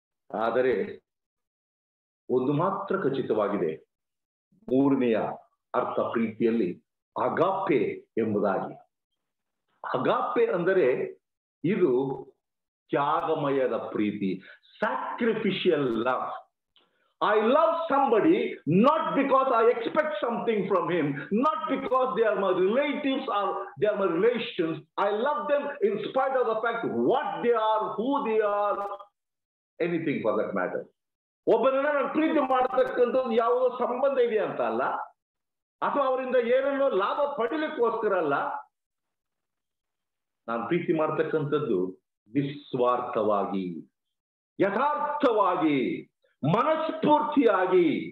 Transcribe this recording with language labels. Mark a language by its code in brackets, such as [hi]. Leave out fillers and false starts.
[kn] ಆದರೆ ಒಂದು ಮಾತ್ರ ಖಚಿತವಾಗಿದೆ, ಮೂರನೆಯ ಅರ್ಥ ಪ್ರೀತಿಯಲ್ಲಿ ಅಗಾಪೆ ಎಂಬುದಾಗಿ. ಅಗಾಪೆ ಅಂದರೆ ಇದು ತ್ಯಾಗಮಯದ ಪ್ರೀತಿ, [en] Sacrificial love. I love somebody not because I expect something from him, not because they are my relatives or they are my relations. I love them in spite of the fact what they are, who they are, anything for that matter. [kn] ಒಬ್ಬನನ್ನ ನಾನು ಪ್ರೀತಿ ಮಾಡತಕ್ಕಂಥ ಯಾವುದೋ ಸಂಬಂಧ ಇದೆ ಅಂತ ಅಲ್ಲ, ಅಥವಾ ಅವರಿಂದ ಏನನ್ನೋ ಲಾಭ ಪಡಿಲಿಕ್ಕೋಸ್ಕರ ಅಲ್ಲ. ನಾನು ಪ್ರೀತಿ ಮಾಡತಕ್ಕಂಥದ್ದು ನಿಸ್ವಾರ್ಥವಾಗಿ, ಯಥಾರ್ಥವಾಗಿ, ಮನಸ್ಫೂರ್ತಿಯಾಗಿ.